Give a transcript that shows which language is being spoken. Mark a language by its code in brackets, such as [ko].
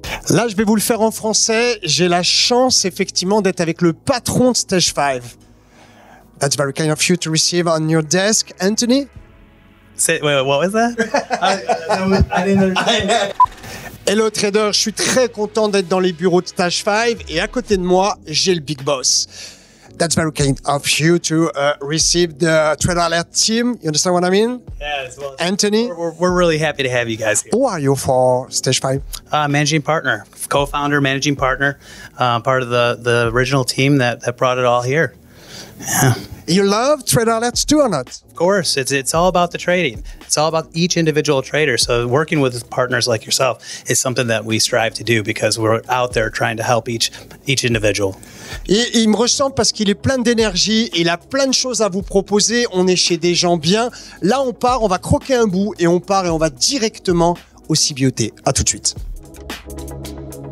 [fr] Là, je vais vous le faire en français. J'ai la chance, effectivement, d'être avec le patron de Stage 5. [en] That's very kind of you to receive on your desk, Anthony. Wait, what was that? I didn't understand. Hello, trader. [fr] Je suis très content d'être dans les bureaux de Stage 5. Et à côté de moi, j'ai le big boss. [en] That's very kind of you to receive the Trader Alert team. You understand what I mean? Yeah, as well. Anthony? We're really happy to have you guys here. Who are you for Stage 5? Managing partner, co-founder, managing partner, part of the original team that brought it all here. Yeah. You love Trader Alerts too or not? Of course. It's all about the trading. It's all about each individual trader. So working with partners like yourself is something that we strive to do because we're out there trying to help each individual. [fr] Et il me ressemble parce qu'il est plein d'énergie, il a plein de choses à vous proposer, on est chez des gens bien. Là, on part, on va croquer un bout et on part et on va directement au CBOT. À tout de suite.